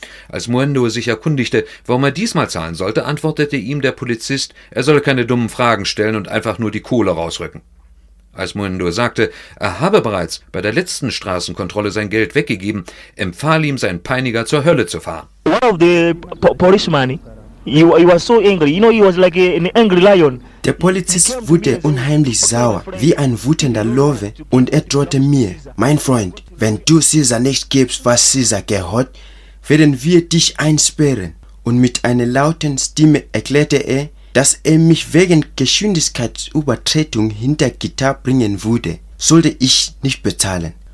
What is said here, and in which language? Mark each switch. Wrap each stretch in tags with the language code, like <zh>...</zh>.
<de>Als Mwendo sich erkundigte, warum er diesmal zahlen sollte, antwortete ihm der Polizist, er solle keine dummen Fragen stellen und einfach nur die Kohle rausrücken. Als Mwendo sagte, er habe bereits bei der letzten Straßenkontrolle sein Geld weggegeben, empfahl ihm sein Peiniger zur Hölle zu fahren.</de> <en>One of the policemen, he was so angry, you know, he was like an angry lion.</en> <de>Der Polizist wurde unheimlich sauer, wie ein wütender Löwe, und er drohte mir, mein Freund, wenn du Caesar nicht gibst, was Caesar gehört, werden wir dich einsperren. Und mit einer lauten Stimme erklärte er, dass er mich wegen Geschwindigkeitsübertretung hinter Gitter bringen würde, sollte ich nicht bezahlen.</de>